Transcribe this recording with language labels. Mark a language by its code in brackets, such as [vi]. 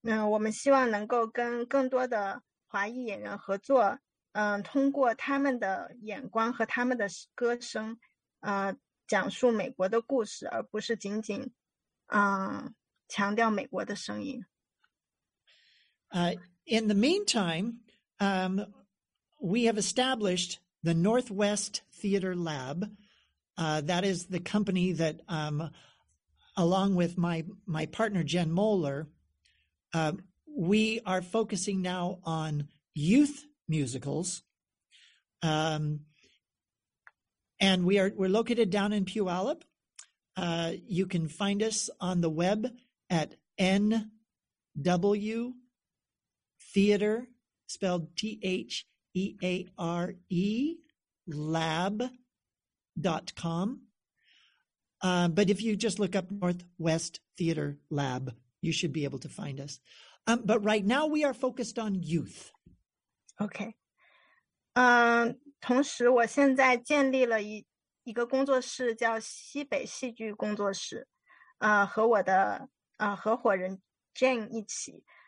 [zh] 我们希望能够跟更多的华裔演员合作，通过他们的眼光和他们的歌声，讲述美国的故事，而不是仅仅强调美国的声音。 [en] In the meantime, we have established the Northwest Theater Lab. That is the company that, along with my partner, Jen Moeller, we are focusing now on youth musicals. And we're located down in Puyallup. You can find us on the web at NW Theater, spelled T-H-E-A-R-E, lab.com. But if you just look up Northwest Theater Lab, you should be able to find us. But right now we are focused on youth. Okay. [zh] 同时我现在建立了一个工作室叫西北戏剧工作室，和我的合伙人 Jane 一起。